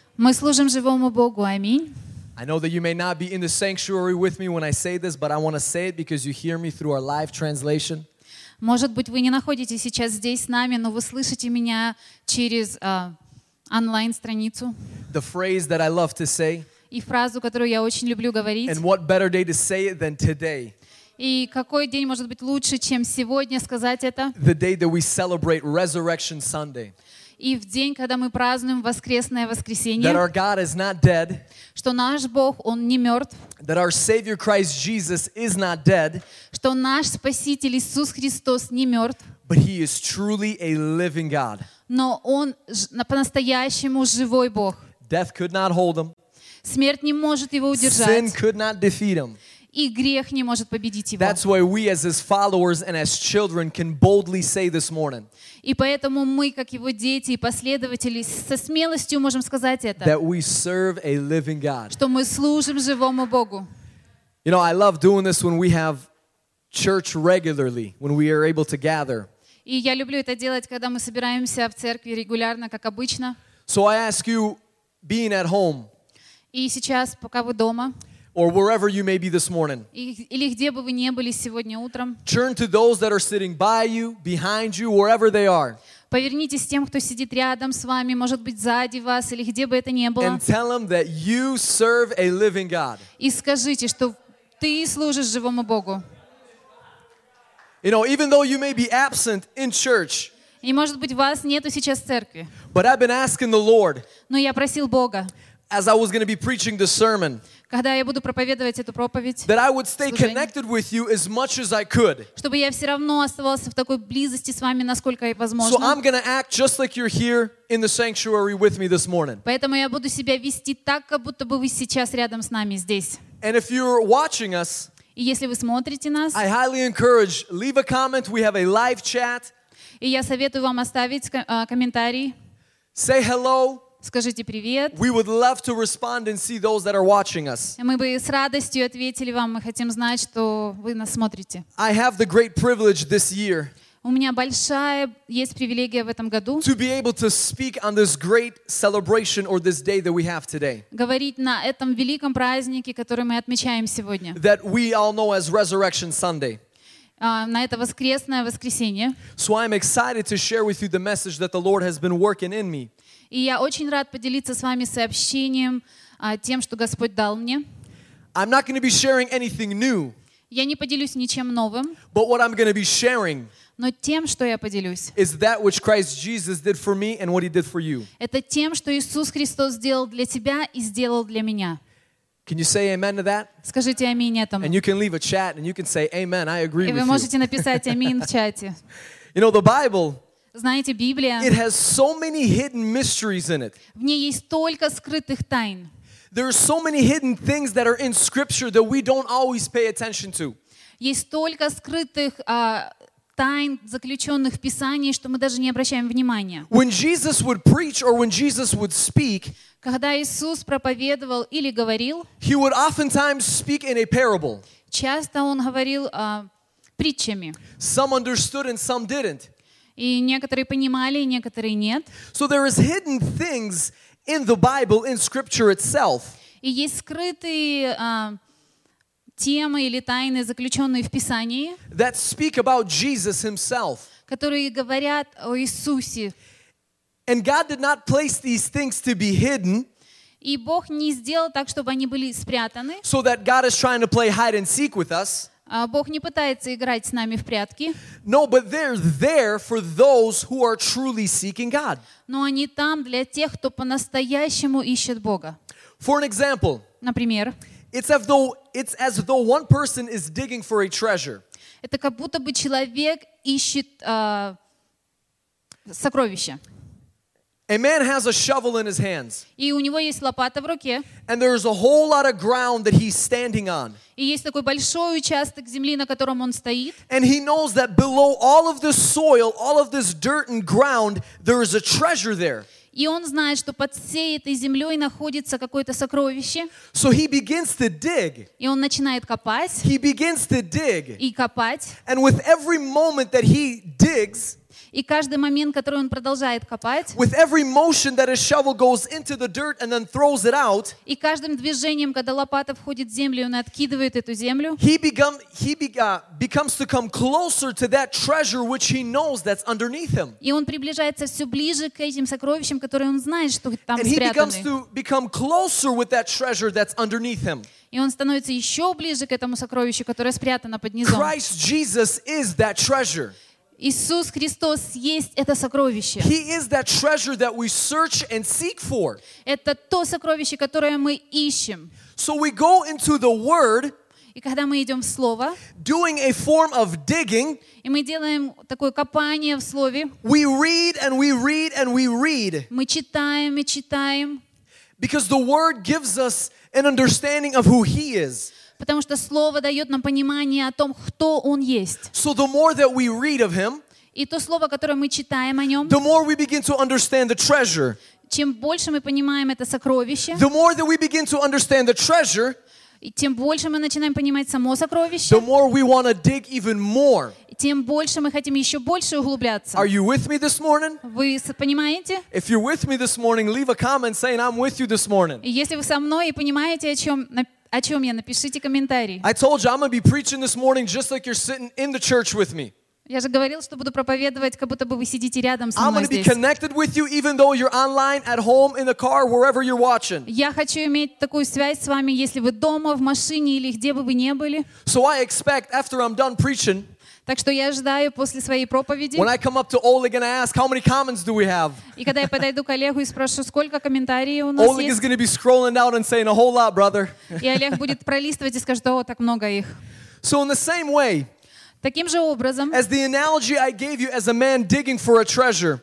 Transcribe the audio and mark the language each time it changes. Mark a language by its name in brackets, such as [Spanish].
[Russian] Мы служим живому Богу, аминь. [English] I know that you may not be in the sanctuary with me when I say this, but I want to say it because you hear me through our live translation. [Russian] Может быть, вы не находитесь сейчас здесь с нами, но вы слышите меня через онлайн-страницу. [English] The phrase that I love to say. [Russian] И фразу, которую я очень люблю говорить. [English] And what better day to say it than today? [Russian] И какой день может быть лучше, чем сегодня сказать это? [English] The day that we celebrate Resurrection Sunday. [Russian] И в день, когда мы празднуем воскресное воскресенье. [English] That our God is not dead. [Russian] Что наш Бог, Он не мертв. [English] That our Savior Christ Jesus is not dead. [Russian] Что наш Спаситель Иисус Христос не мертв. [English] But He is truly a living God. [Russian] Но Он по-настоящему живой Бог. [English] Death could not hold Him. [Russian] Смерть не может его удержать. [English] Sin could not defeat him. [Russian] И грех не может победить его. [English] That's why we as his followers and as children can boldly say this morning. [Russian] И поэтому мы, как его дети и последователи, со смелостью можем сказать это. [English] That we serve a living God. [Russian] Что мы служим живому Богу. [English] You know, I love doing this when we have church regularly, when we are able to gather. [Russian] И я люблю это делать, когда мы собираемся в церкви регулярно, как обычно. [English] So I ask you, being at home, [Russian] и сейчас, пока вы дома, [English] or wherever you may be this morning, [Russian] или где бы вы не были сегодня утром, [English] turn to those that are sitting by you, behind you, wherever they are. [Russian] Повернитесь к тем, кто сидит рядом с вами, может быть, сзади вас, или где бы это ни было. [English] And tell them that you serve a living God. [Russian] И скажите, что ты служишь живому Богу. [English] You know, even though you may be absent in church, [Russian] и может быть, вас нету сейчас в церкви, [English] but I've been asking the Lord, [Russian] но я просил Бога, [English] as I was going to be preaching the sermon, [Russian] когда я буду проповедовать эту проповедь, [English] that I would stay служение, connected with you as much as I could. [Russian] Чтобы я все равно оставался в такой близости с вами, насколько и возможно. [English] So I'm going to act just like you're here in the sanctuary with me this morning. [Russian] Поэтому я буду себя вести так, как будто бы вы сейчас рядом с нами здесь. [English] And if you're watching us, [Russian] и если вы смотрите нас, [English] I highly encourage, leave a comment, we have a live chat. [Russian] И я советую вам оставить комментарий. [English] Say hello. [Russian] Скажите привет. [English] We would love to respond and see those that are watching us. [Russian] Мы бы с радостью ответили вам. Мы хотим знать, что вы нас смотрите. [English] I have the great privilege this year. [Russian] У меня большая есть привилегия в этом году. [English] To be able to speak on this great celebration or this day that we have today. [Russian] Говорить на этом великом празднике, который мы отмечаем сегодня. [English] That we all know as Resurrection Sunday. [Russian] На это воскресное воскресенье. [English] So I'm excited to share with you the message that the Lord has been working in me. [Russian] И я очень рад поделиться с вами сообщением, тем, что Господь дал мне. [English] I'm not going to be sharing anything new. [Russian] Я не поделюсь ничем новым. [English] But what I'm going to be sharing. [Russian] Но тем, что я поделюсь. [English] Is that which Christ Jesus did for me and what He did for you. [Russian] Это тем, что Иисус Христос сделал для тебя и сделал для меня. [English] Can you say amen to that? [Russian] Скажите аминь этому. [English] And you can leave a chat and you can say amen. I agree with you. [Russian] И вы можете написать аминь в чате. [English] You know the Bible. [Russian] Знаете, Библия. [English] It has so many hidden mysteries in it. [Russian] В ней есть столько скрытых тайн. [English] There are so many hidden things that are in Scripture that we don't always pay attention to. [Russian] Есть столько скрытых тайн, заключенных в Писании, что мы даже не обращаем внимания. [English] When Jesus would preach or when Jesus would speak, [Russian] когда Иисус проповедовал или говорил, [English] He would oftentimes speak in a parable. [Russian] Часто Он говорил притчами. [English] Some understood and some didn't. [Russian] И некоторые понимали, и некоторые нет. [English] So there is hidden things in the Bible, in Scripture itself. [Russian] И есть скрытые темы или тайны, заключенные в Писании, [English] that speak about Jesus himself. [Russian] Которые говорят о Иисусе. [English] And God did not place these things to be hidden. [Russian] И Бог не сделал так, чтобы они были спрятаны. [English] So that God is trying to play hide and seek with us. [Russian] Бог не пытается играть с нами в прятки. [English] No, but they're there for those who are truly seeking God. [Russian] Но они там для тех, кто по-настоящему ищет Бога. [English] For an example. [Russian] Например. [English] It's as though one person is digging for a treasure. [Russian] Это как будто бы человек ищет сокровище. [English] A man has a shovel in his hands. [Russian] И у него есть лопата в руке. [English] And there is a whole lot of ground that he's standing on. [Russian] И есть такой большой участок земли, на котором он стоит. [English] And he knows that below all of this soil, all of this dirt and ground, there is a treasure there. [Russian] И он знает, что под всей этой землей находится какое-то сокровище. [English] So he begins to dig. [Russian] И он начинает копать. [English] He begins to dig. [Russian] И копать. [English] And with every moment that he digs, [Russian] и каждый момент, который он продолжает копать, [English] with every motion that a shovel goes into the dirt and then throws it out, [Russian] и каждым движением, когда лопата входит в землю, он откидывает эту землю, [English] he becomes to come closer to that treasure which he knows that's underneath him. [Russian] И он приближается все ближе к этим сокровищам, которые он знает, что там спрятаны. [English] And he becomes to become closer with that treasure that's underneath him. [Russian] И он становится еще ближе к этому сокровищу, которое спрятано под низом. [English] Christ Jesus is that treasure. [Russian] Иисус Христос есть это сокровище. [English] He is that treasure that we search and seek for. [Russian] Это то сокровище, которое мы ищем. [English] So we go into the Word, [Russian] и когда мы идем в Слово, [English] doing a form of digging, [Russian] и мы делаем такое копание в Слове, [English] we read and we read and we read. [Russian] Мы читаем и читаем. [English] Because the Word gives us an understanding of who He is. [Russian] Потому что Слово дает нам понимание о том, кто Он есть. [English] So the more that we read of Him, [Russian] и то Слово, которое мы читаем о Нем, [English] the more we begin to understand the treasure, [Russian] чем больше мы понимаем это сокровище, [English] the more that we begin to understand the treasure, [Russian] и тем больше мы начинаем понимать само сокровище, [English] the more we want to dig even more. [Russian] Тем больше мы хотим еще больше углубляться. [English] Are you with me this morning? [Russian] Вы понимаете? [English] If you're with me this morning, leave a comment saying I'm with you this morning. [Russian] Если вы со мной и понимаете, о чем написано, о чем я? Напишите комментарий. [English] I told you I'm gonna be preaching this morning just like you're sitting in the church with me. [Russian] Я же говорил, что буду проповедовать, как будто бы вы сидите рядом со мной здесь. [English] I'm gonna be connected with you even though you're online, at home, in the car, wherever you're watching. [Russian] Я хочу иметь такую связь с вами, если вы дома, в машине или где бы вы не были. [English] So I expect after I'm done preaching. [Russian] Так что я ожидаю после своей проповеди. [English] When I come up to Oleg and I ask, how many comments do we have? [Russian] И когда я подойду к Олегу и спрошу, сколько комментариев у нас есть? [English] Oleg is going to be scrolling down and saying a whole lot, brother. [Russian] И Олег будет пролистывать и скажет, о, так много их. [English] So in the same way, [Russian] таким же образом, [English] as the analogy I gave you as a man digging for a treasure,